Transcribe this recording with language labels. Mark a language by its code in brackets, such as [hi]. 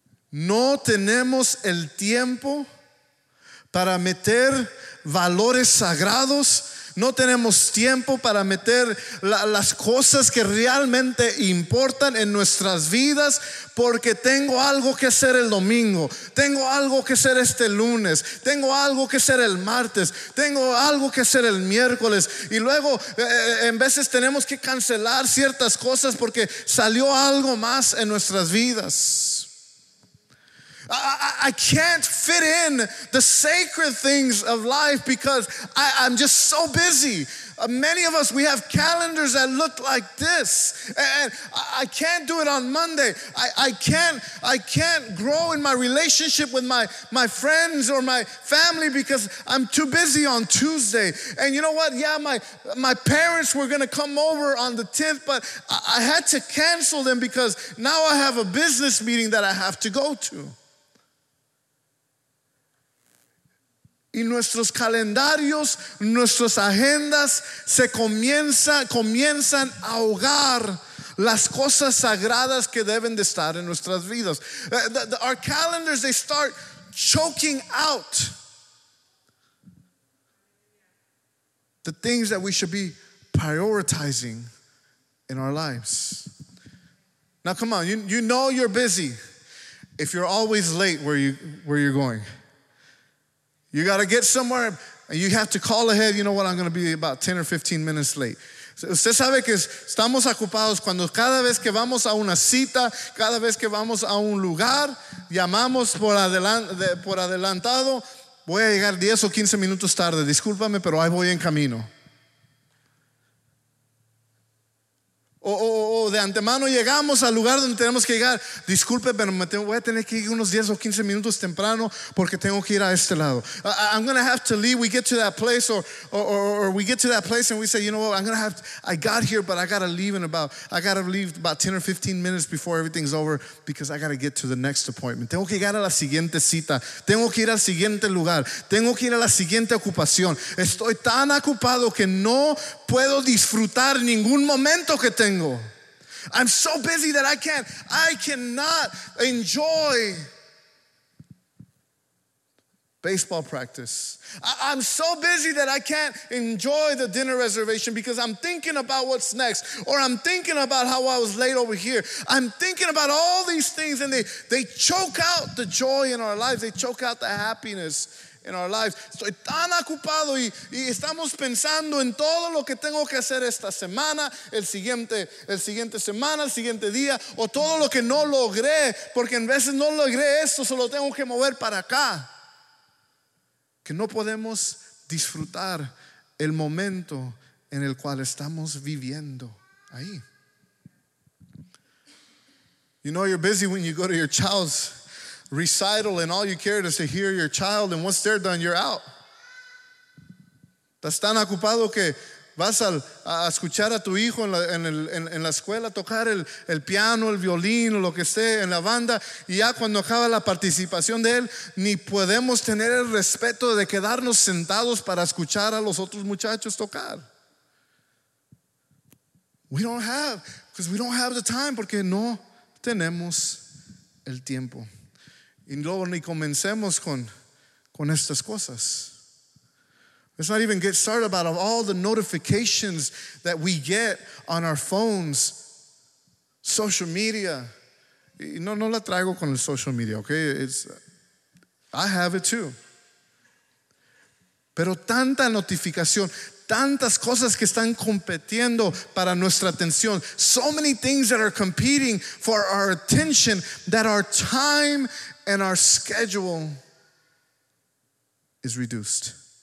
[es] No tenemos el tiempo para meter valores sagrados, no tenemos tiempo para meter las cosas que realmente importan en nuestras vidas, porque tengo algo que hacer el domingo, tengo algo que hacer este lunes, tengo algo que hacer el martes, tengo algo que hacer el miércoles, y luego en veces tenemos que cancelar ciertas cosas porque salió algo más en nuestras vidas. [en] I can't fit in the sacred things of life because I'm just so busy. Many of us, we have calendars that look like this, and I can't do it on Monday. I can't grow in my relationship with my friends or my family because I'm too busy on Tuesday. And you know what? Yeah, my parents were going to come over on the 10th, but I had to cancel them because now I have a business meeting that I have to go to. [es] Y nuestros calendarios, nuestras agendas comienzan a ahogar las cosas sagradas que deben de estar en nuestras vidas. [en] Our calendars, they start choking out the things that we should be prioritizing in our lives. Now come on, you know you're busy if you're always late where you're going. You got to get somewhere and you have to call ahead. You know what? I'm going to be about 10 or 15 minutes late. [es] Usted sabe que estamos ocupados cuando cada vez que vamos a una cita, cada vez que vamos a un lugar, llamamos por adelantado. Voy a llegar 10 o 15 minutos tarde. Discúlpame, pero ahí voy en camino. O de antemano llegamos al lugar donde tenemos que llegar. Disculpe, pero voy a tener que ir unos 10 o 15 minutos temprano porque tengo que ir a este lado. [en] I'm going to have to leave. We get to that place or we get to that place and we say, you know what, I got here, but I got to leave about 10 or 15 minutes before everything's over because I got to get to the next appointment. [es] Tengo que llegar a la siguiente cita. Tengo que ir al siguiente lugar. Tengo que ir a la siguiente ocupación. Estoy tan ocupado que no puedo disfrutar ningún momento que tengo. [en] I'm so busy that I cannot enjoy baseball practice. I'm so busy that I can't enjoy the dinner reservation because I'm thinking about what's next, or I'm thinking about how I was late over here. I'm thinking about all these things, and they choke out the joy in our lives. They choke out the happiness in our lives. [es] Estoy tan ocupado y estamos pensando en todo lo que tengo que hacer esta semana, el siguiente semana, el siguiente día, o todo lo que no logré, porque en veces no logré esto, solo tengo que mover para acá, que no podemos disfrutar el momento en el cual estamos viviendo ahí. [en] You know you're busy when you go to your child's recital and all you care is to hear your child, and once they're done, you're out. [es] Estás tan ocupado que vas a escuchar a tu hijo en la escuela tocar el piano, el violín o lo que sea en la banda, y ya cuando acaba la participación de él, ni podemos tener el respeto de quedarnos sentados para escuchar a los otros muchachos tocar. [en] We don't have the time, [es] porque no tenemos el tiempo. Y luego ni comencemos con estas cosas. [en] Let's not even get started about all the notifications that we get on our phones, social media. [es] Y no la traigo con el social media, okay? [en] I have it too. [es] Pero tanta notificación, tantas cosas que están compitiendo para nuestra atención. [en] So many things that are competing for our attention that our time and our schedule is reduced.